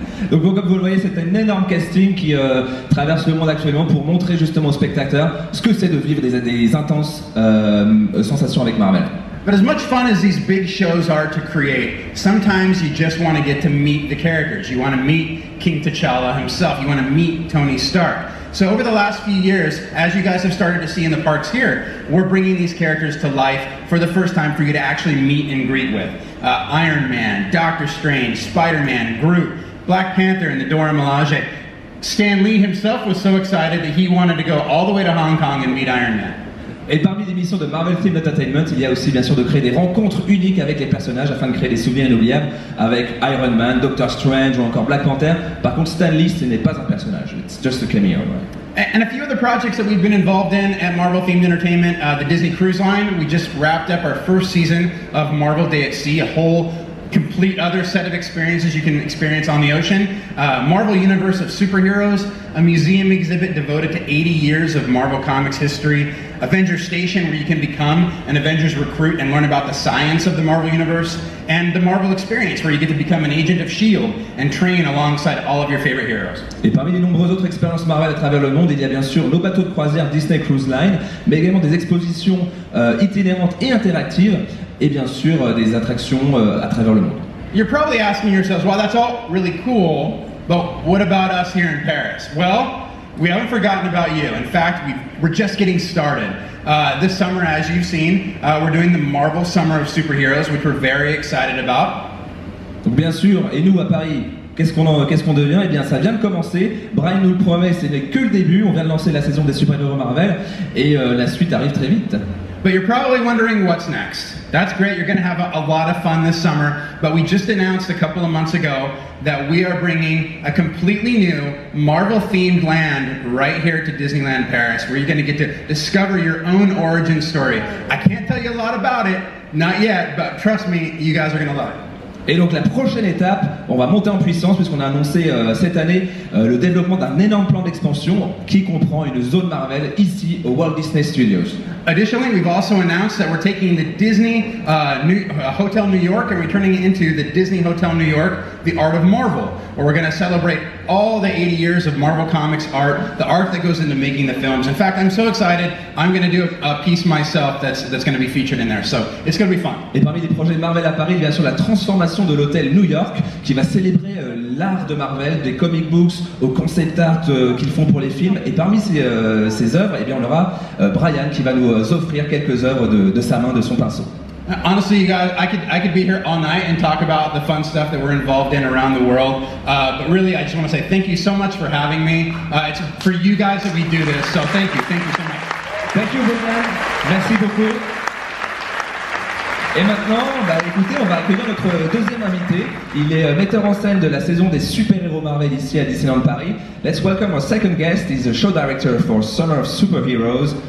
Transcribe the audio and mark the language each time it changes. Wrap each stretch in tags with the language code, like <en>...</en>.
<fr>Donc comme vous le voyez, c'est un énorme casting qui traverse le monde actuellement pour montrer justement aux spectateurs ce que c'est de vivre des intenses sensations avec Marvel.</fr> <en>But as much fun as these big shows are to create, sometimes you just want to get to meet the characters. You want to meet King T'Challa himself, you want to meet Tony Stark. So over the last few years, as you guys have started to see in the parks here, we're bringing these characters to life for the first time for you to actually meet and greet with. Iron Man, Doctor Strange, Spider-Man, Groot, Black Panther and the Dora Milaje. Stan Lee himself was so excited that he wanted to go all the way to Hong Kong and meet Iron Man.</en> <fr>Et parmi les missions de Marvel Film Entertainment, il y a aussi bien sûr de créer des rencontres uniques avec les personnages afin de créer des souvenirs inoubliables avec Iron Man, Doctor Strange ou encore Black Panther. Par contre, Stan Lee, ce n'est pas un personnage.</fr> <en>It's just a cameo, right? And a few other projects that we've been involved in at Marvel Themed Entertainment, the Disney Cruise Line. We just wrapped up our first season of Marvel Day at Sea, a whole complete other set of experiences you can experience on the ocean. Marvel Universe of Superheroes, a museum exhibit devoted to 80 years of Marvel Comics history. Avengers Station, where you can become an Avengers recruit and learn about the science of the Marvel Universe. And the Marvel Experience, where you get to become an agent of S.H.I.E.L.D. and train alongside all of your favorite heroes.</en> <fr>Et parmi les nombreuses autres expériences Marvel à travers le monde, il y a bien sûr nos bateaux de croisière Disney Cruise Line, mais également des expositions itinérantes et interactives, et bien sûr des attractions à travers le monde.</fr> <en>You're probably asking yourselves, well, that's all really cool, but what about us here in Paris? Well, we haven't forgotten about you. In fact, we're just getting started. This summer, as you've seen, we're doing the Marvel Summer of Superheroes, which we're very excited about.</en> <fr>Donc bien sûr, et nous à Paris, qu'est-ce qu'on devient? Eh bien, ça vient de commencer. Brian nous le promet, ce n'est que le début. On vient de lancer la saison des super-héros Marvel, et la suite arrive très vite.</fr> <en>But you're probably wondering what's next. That's great, you're gonna have a lot of fun this summer, but we just announced a couple of months ago that we are bringing a completely new Marvel-themed land right here to Disneyland Paris, where you're gonna get to discover your own origin story. I can't tell you a lot about it, not yet, but trust me, you guys are gonna love it.</en> <fr>Et donc la prochaine étape, on va monter en puissance puisqu'on a annoncé cette année le développement d'un énorme plan d'expansion qui comprend une zone Marvel ici au Walt Disney Studios.</fr> <en>Additionally, we've also announced that we're taking the Disney Hotel New York and we're turning it into the Disney Hotel New York, the Art of Marvel, where we're going to celebrate all the 80 years of Marvel Comics art, the art that goes into making the films. In fact, I'm so excited, I'm going to do a piece myself that's going to be featured in there. So, it's going to be fun.</en> <fr>Et parmi les projets de Marvel à Paris, bien sûr, la transformation de l'hôtel New York, qui va célébrer l'art de Marvel, des comic books au concept art qu'ils font pour les films. Et parmi ces œuvres, eh bien, on aura Brian qui va nous offrir quelques œuvres de sa main, de son pinceau.</fr> <en>Honestly, you guys, I could be here all night and talk about the fun stuff that we're involved in around the world. But really, I just want to say thank you so much for having me. It's for you guys that we do this, so thank you. Thank you so much. Thank you, Brian.</en> <fr>Merci beaucoup. Et maintenant, écoutez, on va accueillir notre deuxième invité. Il est metteur en scène de la saison des super-héros Marvel ici à Disneyland Paris.</fr> <en>Let's welcome our second guest. He's the show director for Summer of Superheroes.</en>